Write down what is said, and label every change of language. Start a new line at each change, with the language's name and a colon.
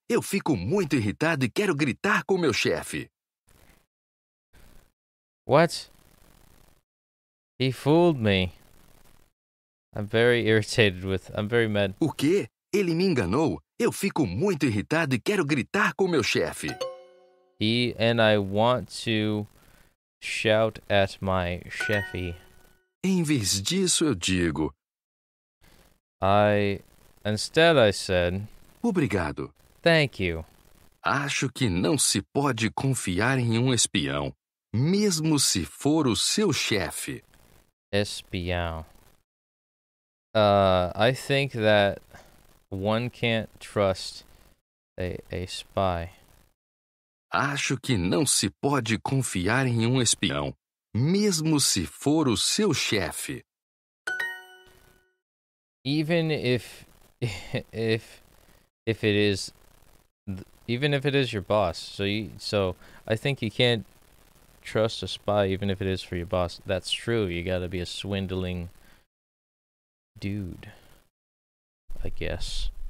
Portuguese: Eu fico muito irritado e quero gritar com meu chefe.
English: What? He fooled me. I'm very mad.
Portuguese: O quê? Ele me enganou. Eu fico muito irritado e quero gritar com meu chefe.
English: And I want to shout at my chefe.
Portuguese: Em vez disso, eu digo.
English: Instead, I said.
Portuguese: Obrigado.
English: Thank you.
Portuguese: Acho que não se pode confiar em um espião, mesmo se for o seu chefe. Espião.
English: I think that one can't trust a spy.
Portuguese: Acho que não se pode confiar em um espião, mesmo se for o seu chefe.
English: Even if it is your boss, so I think you can't trust a spy, even if it is for your boss. That's true. You gotta be a swindling dude, I guess.